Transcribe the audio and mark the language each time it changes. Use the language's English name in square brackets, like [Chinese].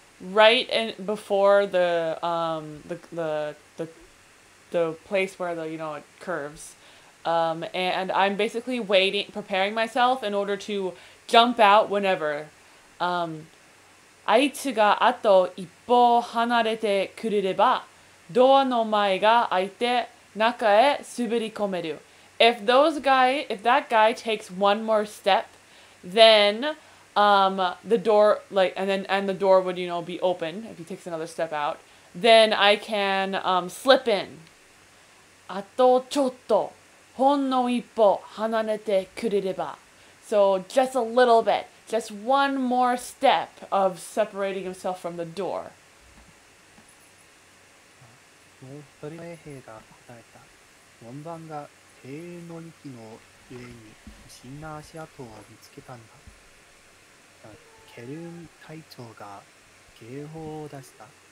[English] Right in before the place where the, you know, it curves. And I'm basically waiting, preparing myself in order to jump out whenever. [Japanese] あいつがあと一歩離れてくれれば、ドアの前が開いて中へ滑り込める。 [English] If that guy takes one more step, then... the door, like, and the door would, you know, be open if he takes another step out. Then I can, slip in. [Japanese] あとちょっと、ほんの一歩離れてくれれば。 [English] So, just a little bit. Just one more step of separating himself from the door. [Japanese] もう一人の衛兵が答えた。門番が庭園の幹の上に不審な足跡を見つけたんだ。ケルン隊長が警報を出した。